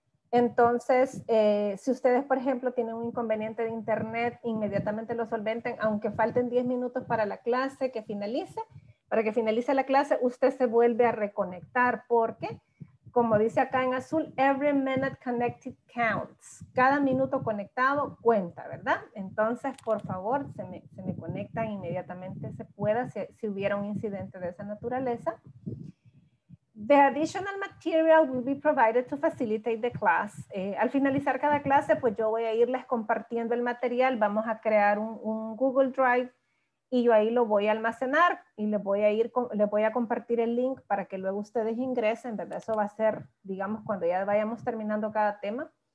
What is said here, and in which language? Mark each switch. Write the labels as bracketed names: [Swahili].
[Spanish] Entonces, si ustedes, por ejemplo, tienen un inconveniente de internet, inmediatamente lo solventen, aunque falten 10 minutos para la clase que finalice, para que finalice la clase, usted se vuelve a reconectar porque, como dice acá en azul, [English] every minute connected counts. [Spanish] Cada minuto conectado cuenta, ¿verdad? Entonces, por favor, se me conecta inmediatamente se pueda si hubiera un incidente de esa naturaleza. [English] The additional material will be provided to facilitate the class. [Spanish] Al finalizar cada clase, pues yo voy a irles compartiendo el material. Vamos a crear un Google Drive. Y yo ahí lo voy a almacenar y le voy a compartir el link para que luego ustedes ingresen, ¿verdad? Eso va a ser, digamos, cuando ya vayamos terminando cada tema.